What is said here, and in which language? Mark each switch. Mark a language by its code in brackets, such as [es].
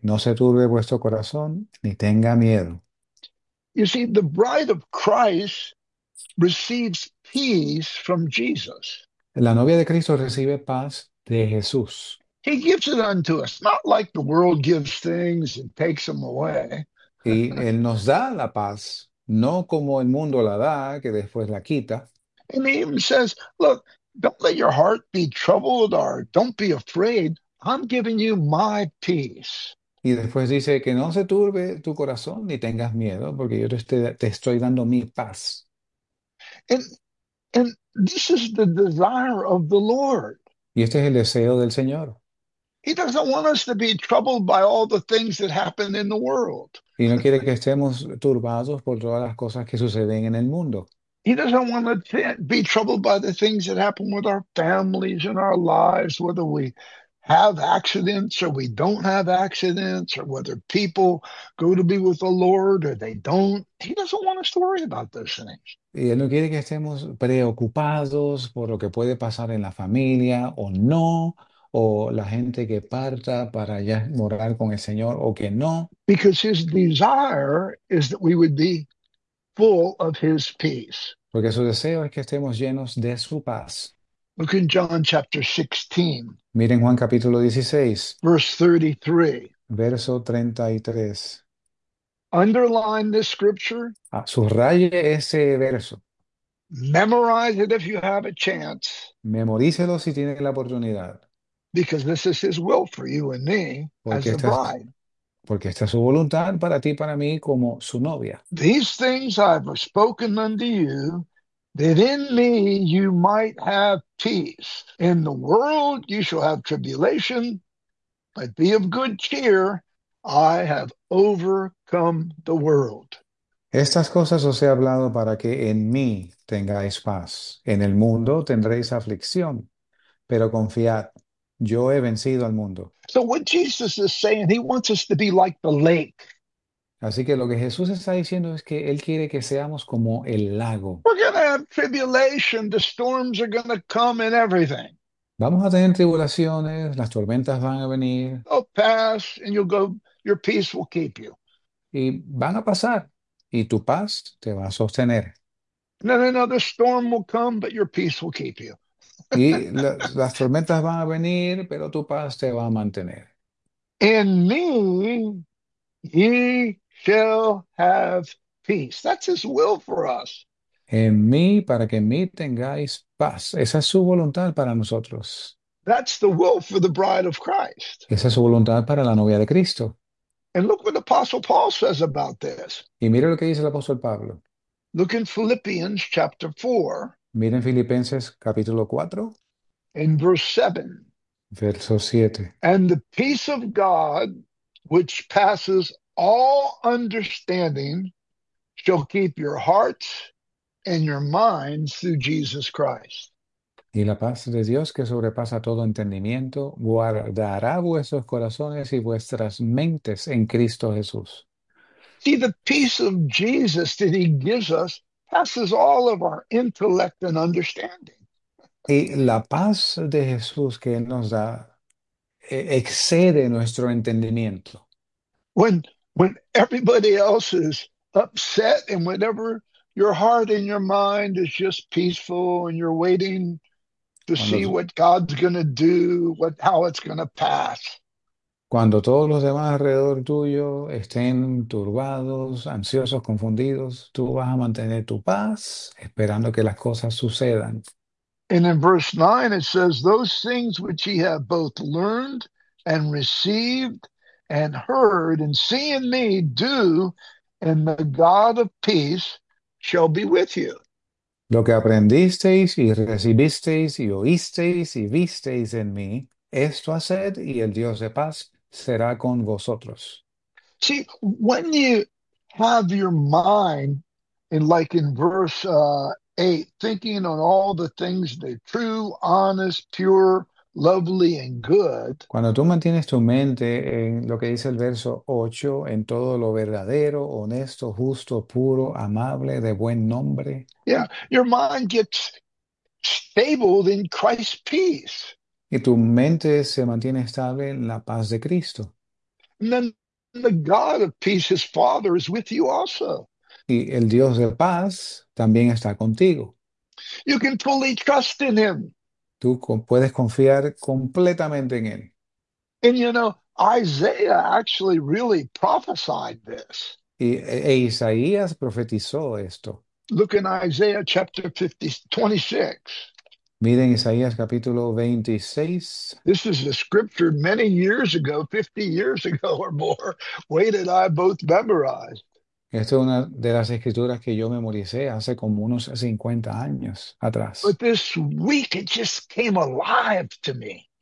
[es] No se turbe vuestro corazón, ni tenga miedo. [en] You see, the bride of Christ receives peace from Jesus. [es] La novia de Cristo recibe paz de Jesús. [en] He gives it unto us, not like the world gives things and takes them away. [es] Y Él nos da la paz, no como el mundo la da, que después la quita. [en] And he even says, look, don't let your heart be troubled or don't be afraid. I'm giving you my peace. [es] Y después dice que no se turbe tu corazón ni tengas miedo, porque yo te estoy dando mi paz. [en] And this is the desire of the Lord. [es] Y este es el deseo del Señor. [en] He doesn't want us to be troubled by all the things that happen in the world. [es] Y no quiere que estemos turbados por todas las cosas que suceden en el mundo. [en] He doesn't want to be troubled by the things that happen with our families and our lives, whether we have accidents or we don't have accidents, or whether people go to be with the Lord or they don't. He doesn't want us to worry about those things. [es] Y Él no quiere que estemos preocupados por lo que puede pasar en la familia o no, o la gente que parta para allá morar con el Señor o que no. [en] Because his desire is that we would be full of his peace. [es] Porque su deseo es que estemos llenos de su paz. [en] Look in John chapter 16, [es] Miren Juan capítulo 16, [en] verse 33. [es] verso 33. [en] Underline this scripture. [es] Subraye ese verso. [en] Memorize it if you have a chance. [es] Memorícelo si tiene la oportunidad. [en] Because this is his will for you and me [es] Porque [en] as the bride. [es] esta es su voluntad para ti, para mí, como su novia. [en] These things I've spoken unto you, that in me you might have peace. In the world you shall have tribulation, but be of good cheer, I have overcome the world. [es] Estas cosas os he hablado para que en mí tengáis paz. En el mundo tendréis aflicción, pero confiad, yo he vencido al mundo. [en] So what Jesus is saying, he wants us to be like the lake. [es] Así que lo que Jesús está diciendo es que Él quiere que seamos como el lago. [en] We're going to have tribulation. The storms are going to come and everything. [es] Vamos a tener tribulaciones, las tormentas van a venir [en] They'll pass and you'll go, your peace will keep you. [es] y van a pasar. Y tu paz te va a sostener. [en] Then another storm will come, but your peace will keep you. [es] Y las tormentas van a venir, pero tu paz te va a mantener. [en] In me, ye shall have peace. That's his will for us. [es] En mí, para que en mí tengáis paz. Esa es su voluntad para nosotros. [en] That's the will for the bride of Christ. [es] Esa es su voluntad para la novia de Cristo. [en] And look what Apostle Paul says about this. [es] Y mire lo que dice el apóstol Pablo. [en] Look in Philippians chapter 4, [es] Miren Filipenses capítulo 4, [en] in verse 7. [es] verso 7. [en] And the peace of God, which passes all understanding, shall keep your hearts and your minds through Jesus Christ. [es] Y la paz de Dios, que sobrepasa todo entendimiento, guardará vuestros corazones y vuestras mentes en Cristo Jesús. [en] See, the peace of Jesus that he gives us passes all of our intellect and understanding. [es] Y la paz de Jesús que Él nos da excede nuestro entendimiento. [en] When everybody else is upset and whatever, your heart and your mind is just peaceful and you're waiting to see what God's going to do, how it's going to pass. [es] Cuando todos los demás alrededor tuyo estén turbados, ansiosos, confundidos, tú vas a mantener tu paz esperando que las cosas sucedan. [en] And in verse 9, it says, those things which ye have both learned and received and heard and seen me do, and the God of peace shall be with you. [es] Lo que aprendisteis y recibisteis y oísteis y visteis en mí, esto haced y el Dios de paz será con vosotros. [en] See, when you have your mind, and like in verse 8, thinking on all the things that are true, honest, pure, lovely, and good. [es] Cuando tú mantienes tu mente en lo que dice el verso 8, en todo lo verdadero, honesto, justo, puro, amable, de buen nombre. [en] Yeah, your mind gets stabled in Christ's peace. [es] Y tu mente se mantiene estable en la paz de Cristo. [en] And then the God of peace, his Father, is with you also. [es] Y el Dios de paz también está contigo. [en] You can fully trust in him. [es] Tú puedes confiar completamente en Él. [en] And you know, Isaiah actually really prophesied this. [es] E Isaías profetizó esto. [en] Look in Isaiah chapter 56. [es] Miren Isaías capítulo 26. [en] This is a scripture many years ago, 50 years ago or more, Wade and I both memorized. [es] Esta es una de las escrituras que yo memoricé hace como unos 50 años [en] But [es] atrás. [en] this week it just came alive to me.